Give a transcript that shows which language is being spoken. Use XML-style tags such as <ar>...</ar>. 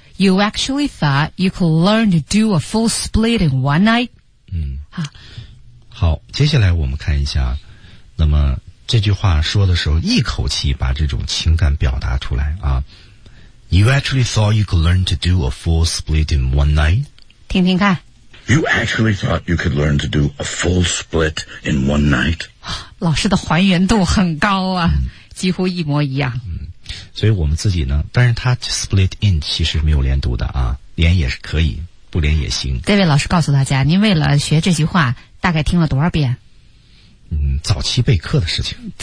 <en>You actually thought you could learn to do a full split in one night. 嗯。</en> <zh>好，接下来我们看一下，那么这句话说的时候，一口气把这种情感表达出来啊。</zh> <en>You actually thought you could learn to do a full split in one night?</en> <zh>听听看。</zh> <en>You actually thought you could learn to do a full split in one night?</en> <zh>老师的还原度很高啊，几乎一模一样。所以我们自己呢，但是它 split in 其实没有连读的啊，连也是可以，不连也行。这位老师告诉大家，您为了学这句话大概听了多少遍？早期备课的事情。</zh>